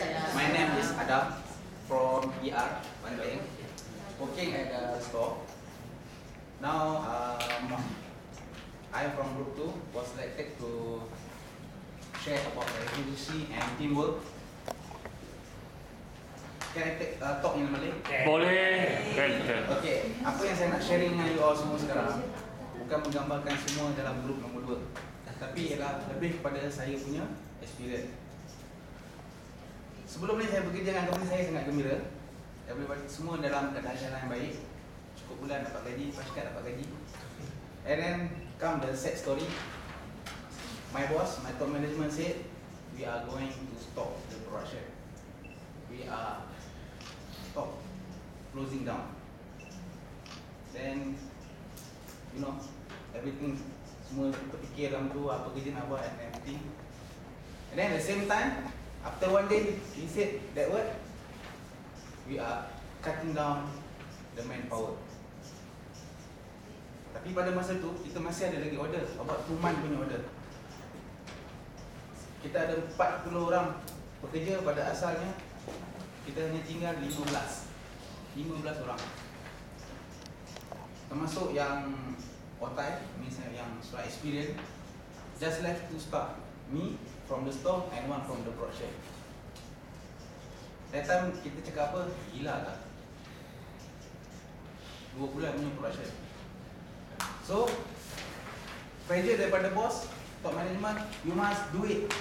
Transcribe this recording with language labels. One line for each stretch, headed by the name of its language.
English: My name is Adam from PR Banting, working at the store. Now I from group 2 was selected to share about resiliency and teamwork. Can I take talk in Malay?
Malay: Boleh. Okay, apa yang saya nak sharing dengan you all semua sekarang bukan menggambarkan semua dalam group nombor 2, tapi ialah lebih kepada saya punya experience. Sebelum ni saya bekerja dengan company saya sangat gembira. Semua dalam keadaan jalan yang baik. Cukup bulan dapat gaji, pascat dapat gaji.
English: And then come the sad story. My boss, my top management said we are going to stop the production. We are stop closing down. Then you know everything,
Malay: semua terfikir dalam tu apa kerja nak buat and everything.
English: And then at the same time, after one day, he said that word, we are cutting down the manpower.
Malay: Tapi pada masa tu, kita masih ada lagi order,
English: about 2 month
Malay: punya order. Kita ada 40 orang pekerja pada asalnya, kita hanya tinggal 15 orang. Termasuk yang otai, misalnya yang sudah experience,
English: just left to start. Me from the store and one from the project.
Malay: That time kita cakap apa? Gila tak? 2 bulan punya project.
English: So pressure daripada boss, top management, you must do it.